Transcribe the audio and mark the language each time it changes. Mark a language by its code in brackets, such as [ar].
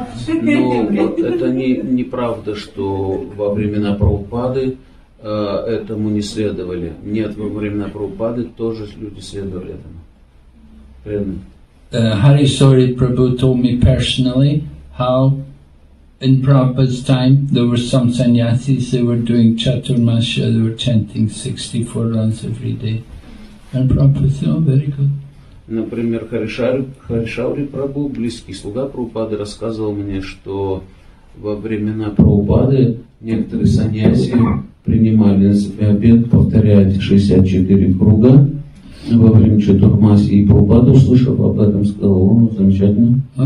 [ru] Но вот это не правда, что во времена Прабхупады этому не следовали. Нет, во времена Прабхупады тоже люди следовали этому. [en] Hari Sori Prabhu told me personally how in Prabhupada's time there were some sannyasis, they were doing chaturmasya, they were chanting 64 rounds every day. And Prabhupada said, oh, very good. [ru] Например, Харишаури Прабху, близкий слуга Прабхупады, рассказывал мне, что во времена Прабхупады некоторые саньяси принимали на себя обет повторять 64 круга во время Чатурмаси, и Прабхупада, услышав об этом, сказал, ну, замечательно.